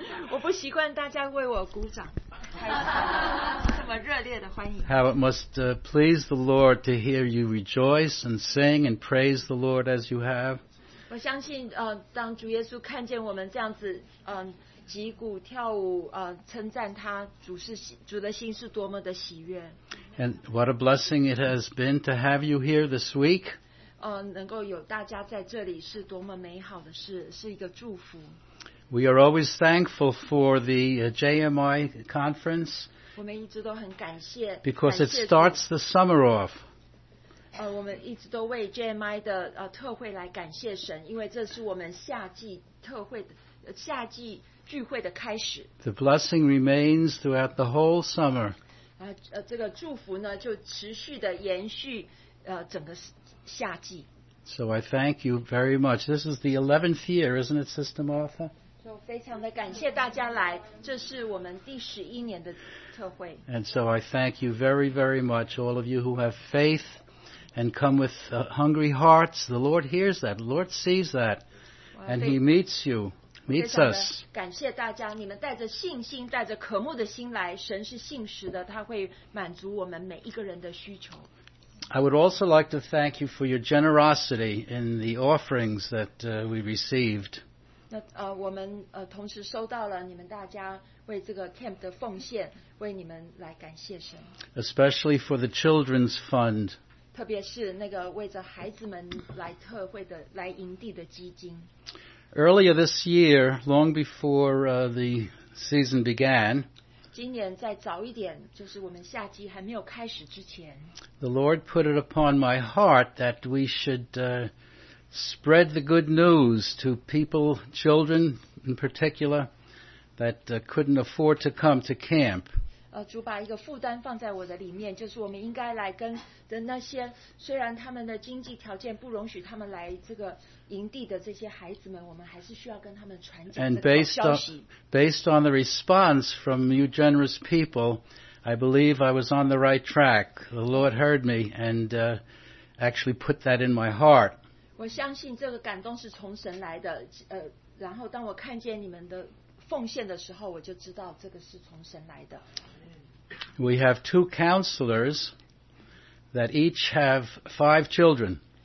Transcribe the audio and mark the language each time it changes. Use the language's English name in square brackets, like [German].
[Chinese] 我不习惯大家为我鼓掌，这么热烈的欢迎。 [English] How it must please the Lord to hear you rejoice and sing and praise the Lord as you have. [Chinese] 我相信，当主耶稣看见我们这样子，击鼓跳舞，称赞他，主的心是多么的喜悦。 [English] And what a blessing it has been to have you here this week. [Chinese] 能够有大家在这里是多么美好的事，是一个祝福。 [English] We are always thankful for the JMI conference. [Chinese] 我们一直都很感谢。 [English] Because it starts the summer off. [Chinese] 我们一直都为 JMI 的特会来感谢神，因为这是我们夏季特会的夏季聚会的开始。 [English] The blessing remains throughout the whole summer. [Chinese] 这个祝福呢就持续的延续整个夏季。 [English] So I thank you very much. This is the 11th year, isn't it, Sister Martha? [Chinese] 就非常的感谢大家来，这是我们第十一年的特会。 [English] And so I thank you very, very much, all of you who have faith and come with hungry hearts. The Lord hears that. The Lord sees that. And He meets you. Meets us. [Chinese] 感谢大家，你们带着信心，带着渴慕的心来，神是信实的，他会满足我们每一个人的需求。 [English] I would also like to thank you for your generosity in the offerings that we received. [Chinese] 我们同时收到了你们大家为这个 camp 的奉献，为你们来感谢神。 [English] Especially for the children's fund. [Chinese] 特别是那个为着孩子们来特会的来营地的基金。 [English] Earlier this year, long before the season began, [Chinese] 今年再早一点，就是我们夏季还没有开始之前， [English] the Lord put it upon my heart that we should spread the good news to people, children in particular, that couldn't afford to come to camp. [Chinese] 主把一个负担放在我的里面，就是我们应该来跟的那些虽然他们的经济条件不容许他们来这个营地的这些孩子们，我们还是需要跟他们传讲这个消息。 [English] Based on the response from you generous people, I believe I was on the right track. The Lord heard me and actually put that in my heart. [Chinese] 我相信这个感动是从神来的。然后当我看见你们的奉献的时候，我就知道这个是从神来的。 [English] We have two counselors that each have five children.